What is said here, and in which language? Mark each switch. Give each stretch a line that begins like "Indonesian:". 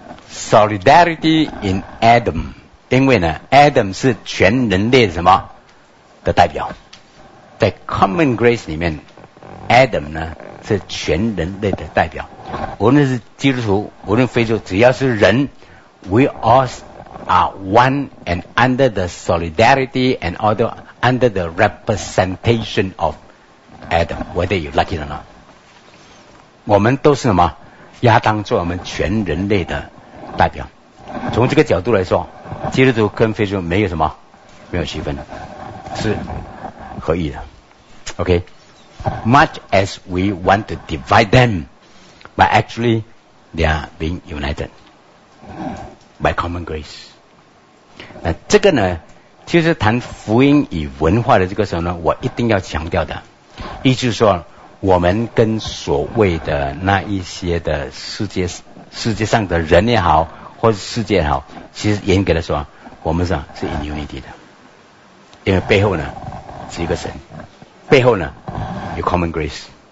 English: Solidarity in Adam，
Chinese: 因为呢 ，Adam 是全人类什么的代表，在 Common Grace 里面 ，Adam 呢是全人类的代表，无论是基督徒，无论非基督，只要是人 ，
English: We all are one and under the solidarity and other under the representation of
Chinese: Adam，
English: whether you like it or not，
Chinese: 我们都是什么亚当做我们全人类的。代表，从这个角度来说，基督徒跟非基督徒没有什么，没有区分，是合一的。
English: OK， much as we want to divide them, but actually they are being united by common grace。
Chinese: 那这个呢，就是谈福音与文化的这个时候呢，我一定要强调的，也就是说，我们跟所谓的那一些的世界上的人也好，或是世界也好，其实严格的说，我们是
English: in unity
Chinese: 的，因为背后呢是一个神，背后呢有 common grace。